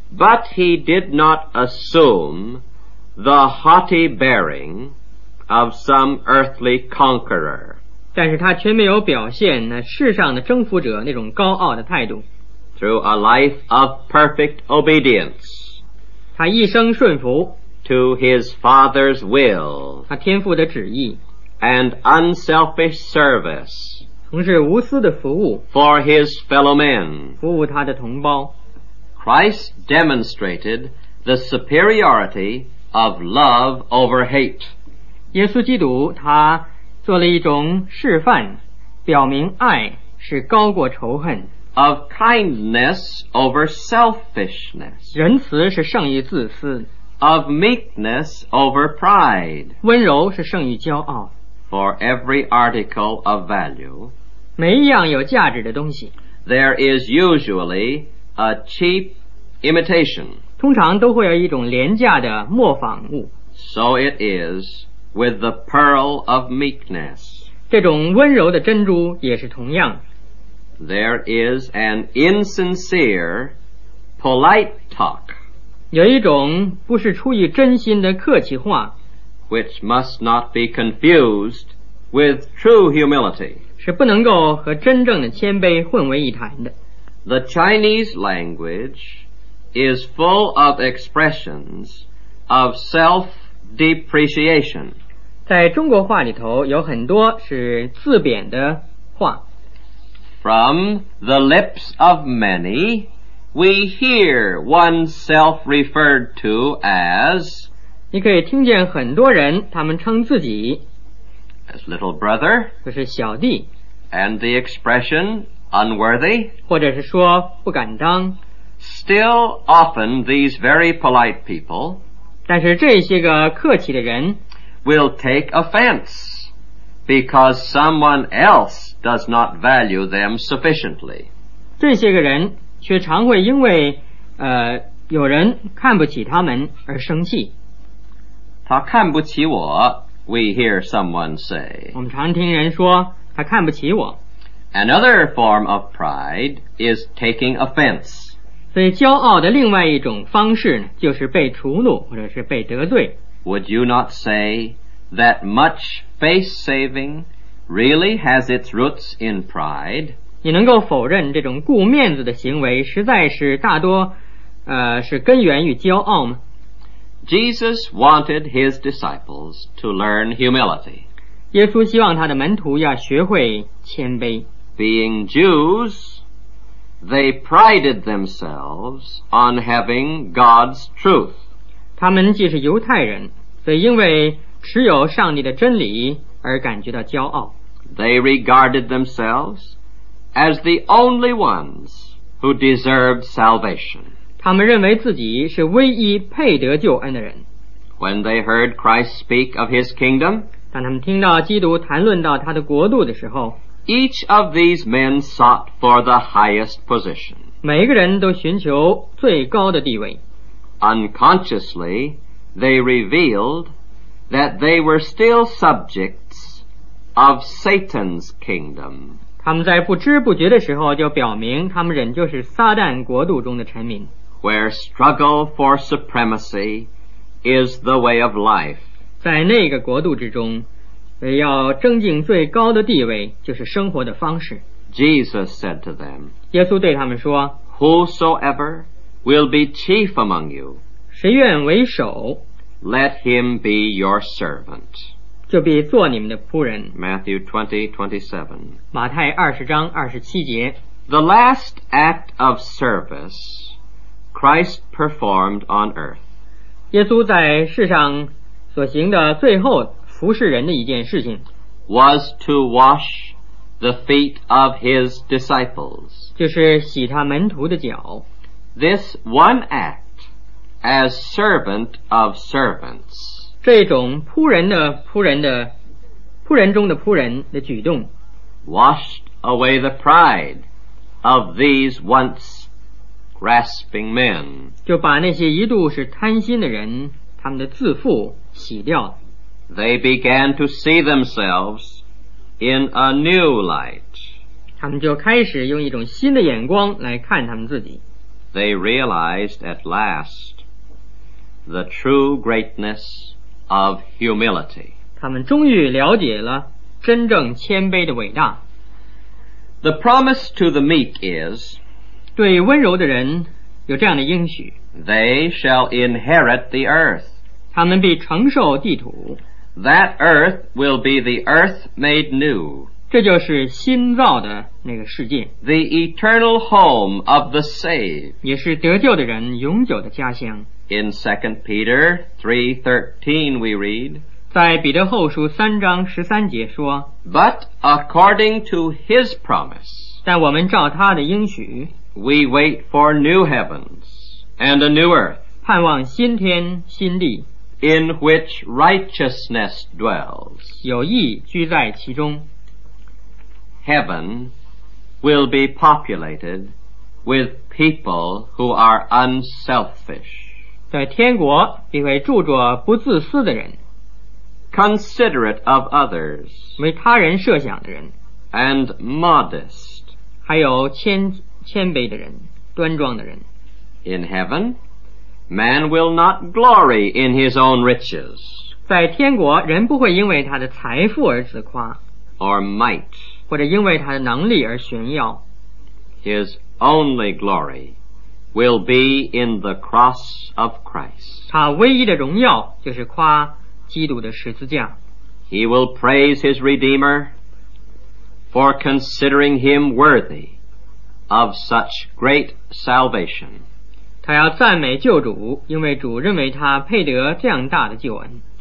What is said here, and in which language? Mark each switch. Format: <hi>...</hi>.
<en>But he did not assume the haughty bearing of some earthly conqueror.</en> <zh>但是他却没有表现那世上的征服者那种高傲的态度。</zh> <en>Through a life of perfect obedience.</en> <zh>他一生顺服</zh> <en>to his father's will</en> <zh>他天父的旨意</zh> <en>and unselfish service</en> <zh>从事无私的服务</zh> <en>for his fellow men</en> <zh>服务他的同胞</zh> <en>Christ demonstrated the superiority of love over hate</en> <zh>耶稣基督他做了一种示范表明爱是高过仇恨</zh> <en>Of kindness over selfishness.</en> <zh>仁慈是胜于自私。</zh> <en>Of meekness over pride.</en> <zh>温柔是胜于骄傲。</zh> <en>For every article of value.</en> <zh>每一样有价值的东西。</zh> <en>There is usually a cheap imitation.</en> <zh>通常都会有一种廉价的模仿物。</zh> <en>So it is with the pearl of meekness.</en> <zh>这种温柔的珍珠也是同样。</zh> <en>There is an insincere, polite talk.</en> <zh>有一种不是出于真心的客气话</zh> <en>which must not be confused with true humility.</en> <zh>是不能够和真正的谦卑混为一谈的。</zh> <en>The Chinese language is full of expressions of self-depreciation.</en> <zh>在中国话里头有很多是自贬的话。</zh> <en>From the lips of many, we hear oneself referred to as</en> <zh>你可以听见很多人他们称自己</zh> <en>as little brother</en> <zh>就是小弟</zh> <en>and the expression unworthy</en> <zh>或者是说不敢当</zh> <en>still often these very polite people</en> <zh>但是这些个客气的人</zh> <en>will take offense because someone else does not value them sufficiently.</en> <zh>这些个人却常会因为有人看不起他们而生气。他看不起我</zh> <en>we hear someone say.</en> <zh>我们常听人说他看不起我。</zh> <en>Another form of pride is taking offense.</en> <zh>所以骄傲的另外一种方式呢就是被触怒或者是被得罪。</zh> <en>Would you not say that much face-savingReally has its roots in pride.</en> <zh>你能够否认这种顾面子的行为实在是大多是根源于骄傲吗？</zh> <en>Jesus wanted his disciples to learn humility.</en> <zh>耶稣希望他的门徒要学会谦卑。</zh> <en>Being Jews, They prided themselves on having God's truth.</en> <zh>他们既是犹太人，则因为持有上帝的真理而感觉到骄傲。</zh> <en>They regarded themselves as the only ones who deserved salvation.</en> <zh>他们认为自己是唯一配得救恩的人。</zh> <en>When they heard Christ speak of his kingdom,</en> <zh>当他们听到基督谈论到他的国度的时候，</zh> <en>each of these men sought for the highest position.</en> <zh>每个人都寻求最高的地位。</zh> <en>Unconsciously, they revealed that they were still subjects of Satan's kingdom.</en> <zh>他们在不知不觉的时候就表明他们仍旧是撒旦国度中的臣民。</zh> <en>Where struggle for supremacy is the way of life.</en> <zh>在那个国度之中要争竞最高的地位就是生活的方式。</zh> <en>Jesus said to them,</en> <zh>耶稣对他们说，</zh> <en>Whosoever will be chief among you,</en> <zh>谁愿为首，</zh> <en>let him be your servant,</en> <zh>就必做你们的仆人。</zh> <en>Matthew 20:27,</en> <zh>马太二十章二十七节。</zh> <en>The last act of service Christ performed on earth,</en> <zh>耶稣在世上所行的最后服侍人的一件事情</zh> <en>was to wash the feet of his disciples,</en> <zh>就是洗他门徒的脚。</zh> <en>This one act as servant of servants,</en> <zh>这种仆人的仆人的仆人中的仆人的举动，</zh> <en>washed away the pride of these once grasping men,</en> <zh>就把那些一度是贪心的人他们的自负洗掉了。</zh> <en>They began to see themselves in a new light.</en> <zh>他们就开始用一种新的眼光来看他们自己。</zh> <en>They realized at last the true greatness of humility.</en> <zh>他们终于了解了真正谦卑的伟大。</zh> <en>The promise to the meek is,</en> <zh>对温柔的人有这样的应许，</zh> <en>They shall inherit the earth.</en> <zh>他们必承受地土。</zh> <en>That earth will be the earth made new.</en> <zh>这就是新造的那个世界。</zh> <en>The eternal home of the saved.</en> <zh>也是得救的人永久的家乡。</zh> <en>In 2 Peter 3:13 we read,</en> <zh>在彼得后书三章十三节说，</zh> <en>But according to his promise,</en> <zh>但我们照他的应许，</zh> <en>we wait for new heavens and a new earth,</en> <zh>盼望新天新地。</zh> <en>In which righteousness dwells,</en> <zh>有义居在其中。</zh> <en>Heaven will be populated with people who are unselfish.</en> <zh>在天国必会住着不自私的人。</zh> <en>Considerate of others,</en> <zh>为他人设想的人。</zh> <en>And modest,</en> <zh>还有谦卑的人，端庄的人。</zh> <en>In heaven,Man will not glory in his own riches.</en> <zh>在天国，人不会因为他的财富而自夸，</zh> <en>or might,</en> <zh>或者因为他的能力而炫耀。</zh> <en>His only glory will be in the cross of Christ.</en> <zh>他唯一的荣耀就是夸基督的十字架。</zh> <en>He will praise his Redeemer for considering him worthy of such great salvation.</en> <zh>他要赞美救主，因为主认为他配得这样大的救恩。</zh>